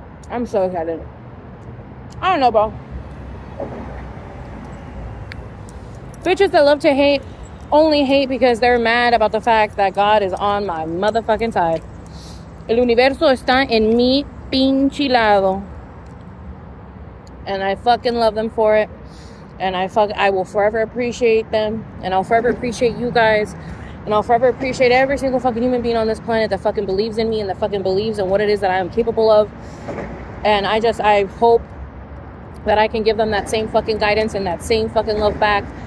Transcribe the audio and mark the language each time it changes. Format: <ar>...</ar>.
<en>I'm so excited. I don't know, bro. Bitches that love to hate only hate because they're mad about the fact that God is on my motherfucking side.</en> <es>El universo está en mi pinche lado.</es> <en>And I fucking love them for it. And I will forever appreciate them. And I'll forever appreciate you guys. And I'll forever appreciate every single fucking human being on this planet that fucking believes in me and that fucking believes in what it is that I am capable of. And I hope that I can give them that same fucking guidance and that same fucking love back.</en>